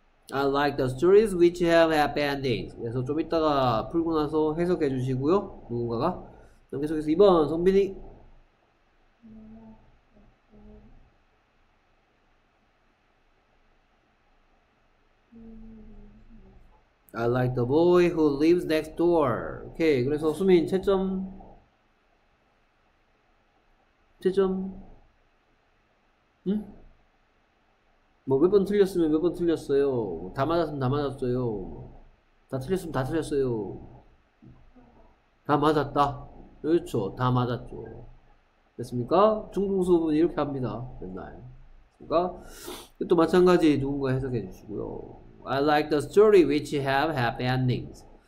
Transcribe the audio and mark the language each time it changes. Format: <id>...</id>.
<en>I like the stories which have happy endings.</en> <ko>그래서 좀 이따가 풀고 나서 해석해 주시고요. 누군가가. 그럼 계속해서 2번, 성빈이.</ko> <en>I like the boy who lives next door.</en> <ko>오케이. 그래서 수민, 채점. 채점. 응? 뭐몇번 틀렸으면 몇번 틀렸어요. 다 맞았으면 다 맞았어요. 다 틀렸으면 다 틀렸어요. 다 맞았다. 그렇죠. 다 맞았죠. 됐습니까? 중등 수업은 이렇게 합니다. 맨날. 그러니까 또 마찬가지 누군가 해석해 주시고요.</ko> <en>I like the story which have happy endings.</en>